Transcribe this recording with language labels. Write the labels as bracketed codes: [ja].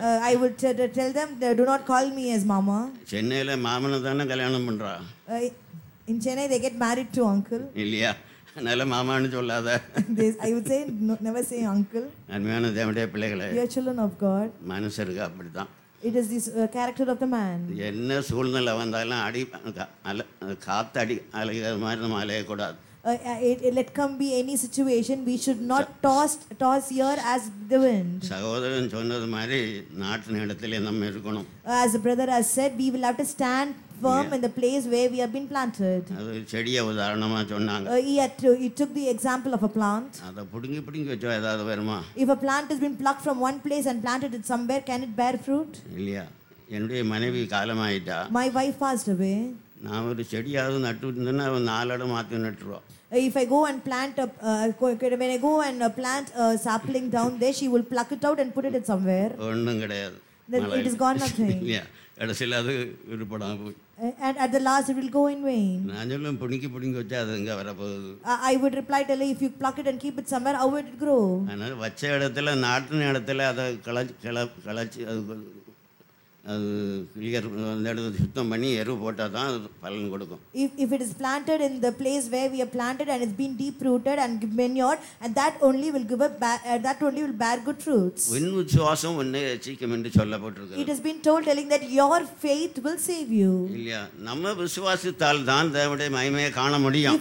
[en] I would tell them, do not call me as mama. [ta] சென்னையில மாமன தான கல்யாணம் பண்றா. [en] In Chennai they get married to uncle. [ta] இல்லையா? அதனால மாமான்னு சொல்லாத. [en] I would say never say uncle. [ta] அன்பான தேவனுடைய பிள்ளைகளே. [en] Dear children of God. [ta] மனுஷருக்கு அப்படிதான். [en] It is this character of the man. [ta] என்ன சூழ்நில வந்தாலும் அடி காத்து அடி அலைகிற மாதிரி நம்ம அலைய கூடாது. [en] Let come be any situation, we should not toss here as the wind. [ta] சகோதரன் சொன்னது மாதிரி நாட்டின் இடத்திலே நாம் இருக்கணும். [en] As the brother has said, we will have to stand firm in the place where we have been planted. [ta] அது செடிய உதாரணமா சொன்னாங்க. [en] He took the example of a plant. [ta] அத புடுங்கி புடுங்கி வெச்சோ ஏதாவது வருமா? [en] If a plant has been plucked from one place and planted it somewhere, can it bear fruit? [ta] இல்லையா? என்னுடைய மனைவி காலமாயிட்டா. [en] My wife passed away. [ta] நான் ஒரு செடியாவது நட்டு இருந்தேன்னா அவன் நாலடம் மாற்றி நட்டுருவோம். [en] If I go and plant a when I go and plant a sapling down there, she will pluck it out and put it somewhere. [ta] ஒன்றும் கிடையாது. [en] It is gone nothing. [ta] கடைசியில் விடுபடாம போய். [en] And at the last it will go in vain. [ta] நானும் புடிங்கி புடிங்கி வச்சா அது எங்க வர போகுது? [en] I would reply to her, if you pluck it and keep it somewhere, how would it grow? [ta] அதனால வச்ச இடத்துல நாட்டின இடத்துல அதை கிளச்சி அது சுத்தம் பண்ணி எருவு போட்டா தான் பலன் கொடுக்கும். [en] If it is planted in the place where we have planted and it's been deep rooted and manured, and that only will bear good fruits. [ta] உன் விசுவாசம் உன்னை ரட்சிக்கும் என்று சொல்லப்பட்டிருக்கிறது. [en] It has been told telling that your faith will save you. [ta] இல்லையா? நம்ம விசுவாசித்தால் தான் தேவனுடைய மகிமையை காண முடியும்.